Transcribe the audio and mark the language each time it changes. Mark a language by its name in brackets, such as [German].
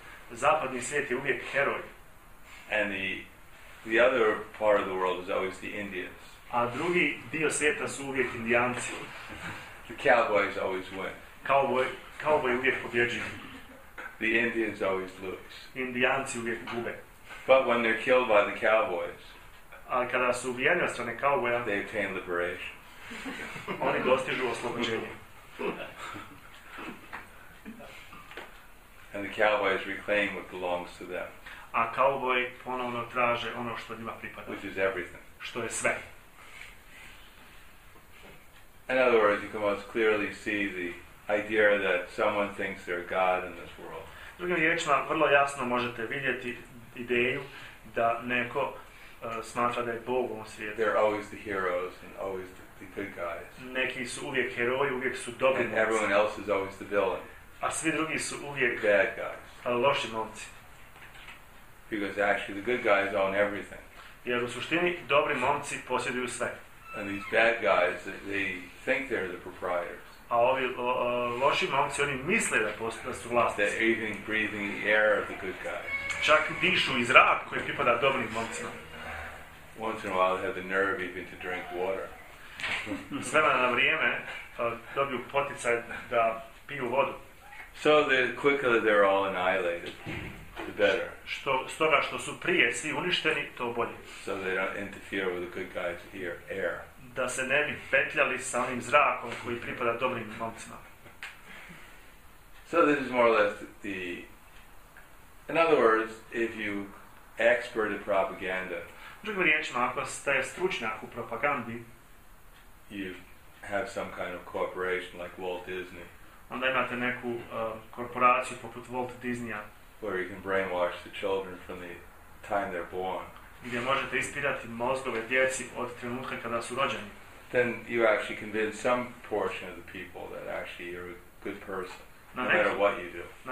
[Bosnian] Zapadni svijet je uvijek heroj. [English] And the other part of the world is always the Indians. [Bosnian] A drugi dio svijeta su uvijek Indijanci. [English] The cowboys always win. [Bosnian] Kauboj uvijek pobjeđuju. [English] The Indians always lose. [Bosnian] Indijanci uvijek gube. [English] But when they're killed by the cowboys, [Bosnian] Ali kada su ubijeni od strane kauboja, [English] they obtain liberation. [Bosnian] Oni dostižu oslobođenje. [English] And the cowboys reclaim what belongs to them. [Bosnian] A kauboji ponovno traže ono što njima pripada. [English] Which is everything. [Bosnian] Što je sve. [English] In other words, you can most clearly see the idea that someone thinks they're God in this world. [Bosnian] Drugim riječima, vrlo jasno možete vidjeti ideju da neko smatra da je Bog u ovom svijetu. [English] They're always the heroes and always the good guys. [Bosnian] Neki su uvijek heroji, uvijek su dobri momci. [English] And everyone else is always the villain. [Bosnian] A svi drugi su uvijek [English] bad guys. [Bosnian] Loši momci. [English] Because actually the good guys own everything. [Bosnian] Jer u suštini dobri momci posjeduju sve. [English] And these bad guys, they think they're the proprietors. [Bosnian] A ovi loši momci, oni misle da su vlasnici. [English] They're even breathing the air of the good guys. [Bosnian] Čak dišu i zrak koji pripada dobrim momcima. [English] Once in a while, they have the nerve even to drink water. [Bosnian] S vremena na vrijeme dobiju poticaj da piju vodu. [English] So the quicker that they're all annihilated, the better. [Bosnian] Što stoga što su prije svi uništeni, to bolje. [English] So they don't interfere with the good guys' air. [Bosnian] Da se ne bi petljali sa onim zrakom koji pripada dobrim momcima. [English] So this is more or less the. In other words, if you expert in propaganda. [Bosnian] Drugim riječima, ako ste stručnjak u propagandi, [English] you have some kind of corporation like Walt Disney. [Bosnian] Onda imate neku korporaciju poput Walt Disneya. [English] Where you can brainwash the children from the time they're born. [Bosnian] Gdje možete ispirati mozgove djeci od trenutka kada su rođeni. [English] Then you actually convince some portion of the people that actually you're a good person, no matter what you do.